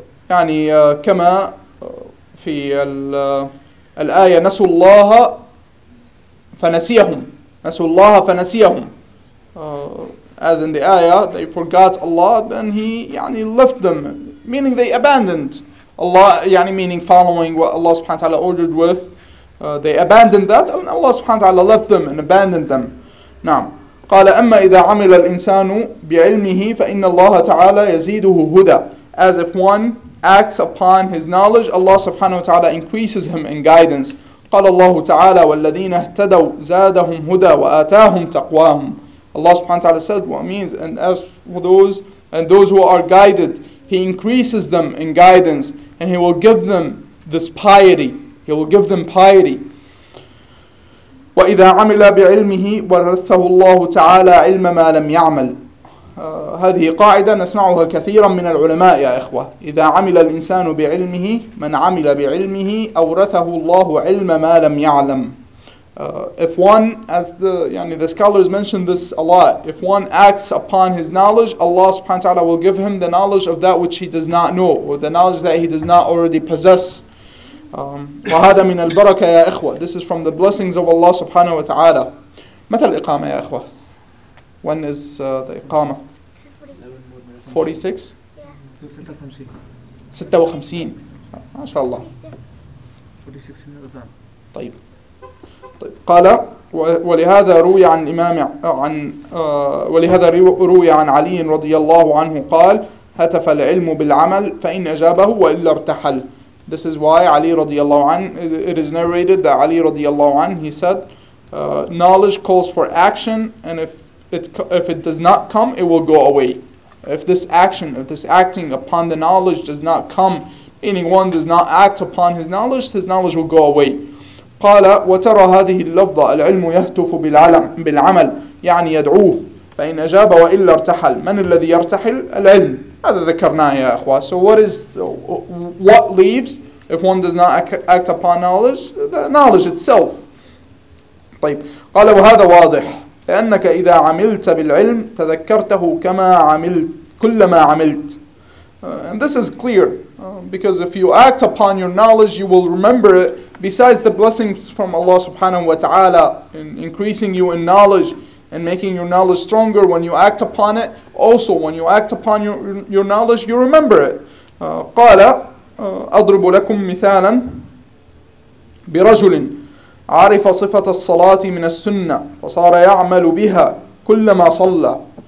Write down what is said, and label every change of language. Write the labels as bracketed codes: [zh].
[ar] يعني كما في الآية نسوا الله فنسيهم نسوا الله فنسيهم. [en] As in the ayah, they forgot Allah, then he يعني left them, meaning they abandoned Allah, يعني meaning following what Allah subhanahu wa ta'ala ordered with. They abandoned that, and Allah subhanahu wa ta'ala left them and abandoned them. [ar] نعم. قال أما إذا عمل الإنسان بعلمه فإن الله تعالى يزيده هدى. [en] As if one acts upon his knowledge, Allah subhanahu wa ta'ala increases him in guidance. [ar] قال الله تعالى والذين اهتدوا زادهم هدى وآتاهم تقواهم. [en] Allah subhanahu wa ta'ala said what means, and as for those who are guided, He increases them in guidance, and He will give them this piety. He will give them piety. [ar] وَإِذَا عَمِلَ بِعِلْمِهِ وَرَثَّهُ اللَّهُ تَعَالَى عِلْمَ مَا لَمْ يَعْمَلْ. هذه قاعدة نسمعها كثيرا من العلماء يا إخوة. إذا عمل الإنسان بعلمه, من عمل بعلمه أورثه الله علم ما لم يعلم. [en] If one, as the يعني the scholars mention this a lot, if one acts upon his knowledge, Allah subhanahu wa ta'ala will give him the knowledge of that which he does not know, or the knowledge that he does not already possess. [ar] وهذا من البركة يا إخوة. [en] This is from the blessings of Allah subhanahu wa ta'ala. [ar] متى الإقامة يا إخوة؟ [en] When is the [ar] إقامة? 46? 56. 56. ما شاء الله. 46. طيب. طيب. قال ولهذا روي عن الإمام عن ولهذا روي عن علي رضي الله عنه قال هتف العلم بالعمل فإن أجابه وإلا ارتحل. [en] This is why Ali رضي الله عنه, it is narrated that Ali رضي الله عنه, he said knowledge calls for action, and if it does not come, it will go away. If this acting upon the knowledge does not come, meaning one does not act upon his knowledge will go away. [ar] قال وترى هذه اللفظة العلم يهتف بالعمل يعني يدعوه فإن أجاب وإلا ارتحل. من الذي يرتحل؟ العلم. هذا ذكرناه يا أخوة. [en] So what leaves if one does not act upon knowledge? The knowledge itself. [ar] طيب. قال وهذا واضح لأنك إذا عملت بالعلم تذكرته كما عملت كلما عملت. [en] And this is clear, because if you act upon your knowledge, you will remember it. Besides the blessings from Allah subhanahu wa ta'ala in increasing you in knowledge and making your knowledge stronger when you act upon it, also when you act upon your knowledge, you remember it. [ar] قال أضرب لكم مثالا برجل عرف صفة الصلاة من السنة وصار يعمل بها كلما صلى.